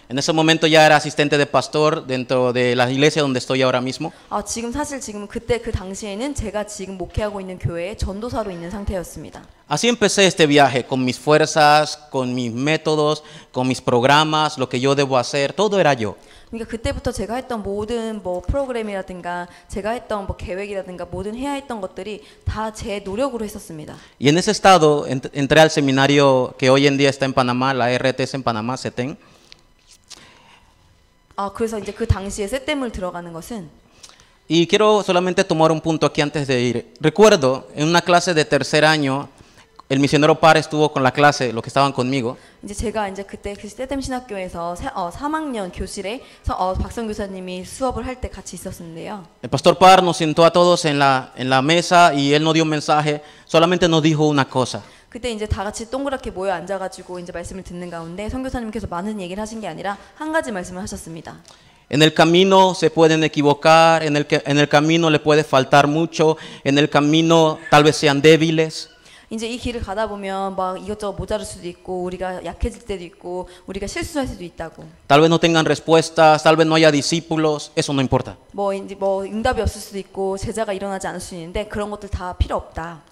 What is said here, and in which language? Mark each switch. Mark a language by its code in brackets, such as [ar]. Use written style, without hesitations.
[es] En ese momento ya era asistente de pastor dentro de la iglesia donde estoy ahora mismo. [ko] 지금 사실 지금 그때 그 당시에는 제가 지금 목회하고 있는 교회에 전도사로 있는 상태였습니다. [es] Así empecé este viaje con mis fuerzas, con mis métodos, con mis programas, lo que yo debo hacer, todo era yo. [ko] 그러니까 그때부터 제가 했던 모든 뭐 프로그램이라든가 제가 했던 뭐 계획이라든가 모든 해야 했던 것들이 다 제 노력으로 했었습니다. [es] Y en ese estado entré al seminario que hoy en día está en Panamá, la RTS en Panamá, CETEN. [ko] 그래서 이제 그 당시에 CETEN을 들어가는 것은 [es] Y quiero solamente tomar un punto aquí antes de ir. Recuerdo en una clase de tercer año El misionero par estuvo con la clase, los que estaban conmigo. [ko] 이제 제가 이제 그때 그 세템 신학교에서 3학년 교실에 박성 교사님이 수업을 할 때 같이 있었는데요. [es] El pastor par nos sentó a todos en la mesa y él no dio mensaje, solamente nos dijo una cosa. [ko] 그때 이제 다 같이 동그랗게 모여 앉아가지고 이제 말씀을 듣는 가운데 선교사님께서 많은 얘기를 하신 게 아니라 한 가지 말씀을 하셨습니다. [es] En el camino se pueden equivocar, en el camino le puede faltar mucho, en el camino tal vez sean débiles. [ko] 이제 이 길을 가다 보면 막 이것저것 모자랄 수도 있고 우리가 약해질 때도 있고 우리가 실수할 수도 있다고. [es] Tal vez no tengan respuestas, tal vez no haya discípulos, eso no importa. [ko] 뭐 이제 뭐 응답이 없을 수도 있고 제자가 일어나지 않을 수 있는데 그런 것들 다 필요 없다.